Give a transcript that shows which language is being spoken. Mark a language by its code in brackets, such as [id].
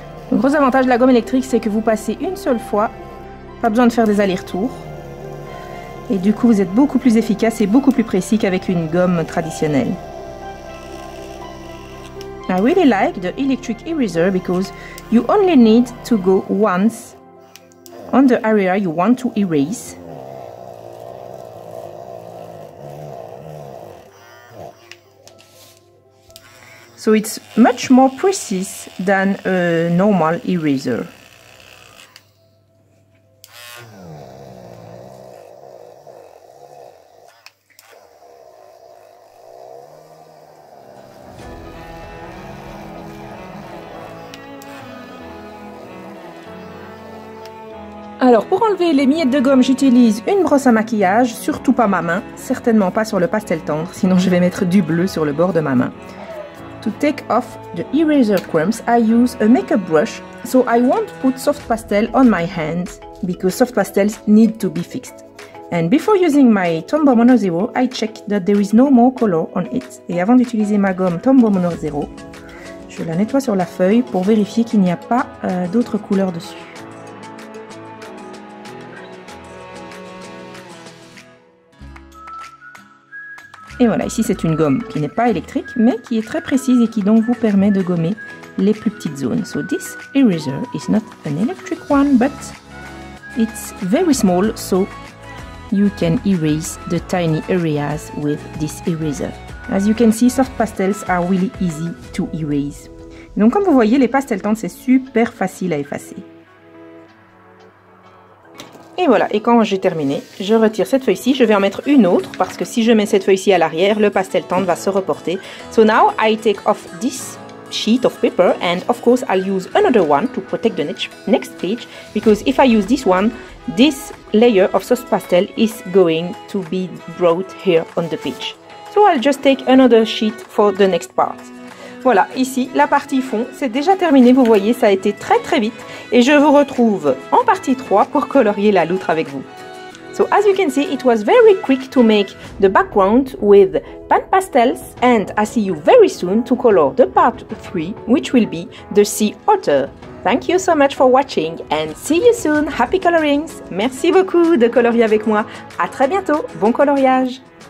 [fr] Le gros avantage de la gomme électrique, c'est que vous passez une seule fois, pas besoin de faire des allers-retours. Et du coup, vous êtes beaucoup plus efficace et beaucoup plus précis qu'avec une gomme traditionnelle. [en] I really like the electric eraser because you only need to go once on the area you want to erase. So it's much more precise than a normal eraser. [fr] Alors pour enlever les miettes de gomme, j'utilise une brosse à maquillage, surtout pas ma main, certainement pas sur le pastel tendre, sinon je vais mettre du bleu sur le bord de ma main. [en] To take off the eraser crumbs, I use a makeup brush, so I won't put soft pastel on my hands, because soft pastels need to be fixed. And before using my Tombow Mono Zero, I check that there is no more color on it. [fr] Et avant d'utiliser ma gomme Tombow Mono Zero, je la nettoie sur la feuille pour vérifier qu'il n'y a pas d'autres couleurs dessus. Et voilà, ici c'est une gomme qui n'est pas électrique, mais qui est très précise et qui donc vous permet de gommer les plus petites zones. [en] So this eraser is not an electric one, but it's very small, so you can erase the tiny areas with this eraser. As you can see, soft pastels are really easy to erase. [fr] Donc comme vous voyez, les pastels tendres, c'est super facile à effacer. Et voilà, et quand j'ai terminé, je retire cette feuille-ci, je vais en mettre une autre, parce que si je mets cette feuille-ci à l'arrière, le pastel tendre va se reporter. [en] So now, I take off this sheet of paper, and of course, I'll use another one to protect the next page, because if I use this one, this layer of soft pastel is going to be brought here on the page. So I'll just take another sheet for the next part. [fr] Voilà, ici, la partie fond, c'est déjà terminé, vous voyez, ça a été très très vite. Et je vous retrouve en partie 3 pour colorier la loutre avec vous. [en] So as you can see, it was very quick to make the background with PanPastels. And I see you very soon to color the part 3, which will be the sea otter. Thank you so much for watching and see you soon. Happy colorings! [fr] Merci beaucoup de colorier avec moi. À très bientôt, bon coloriage!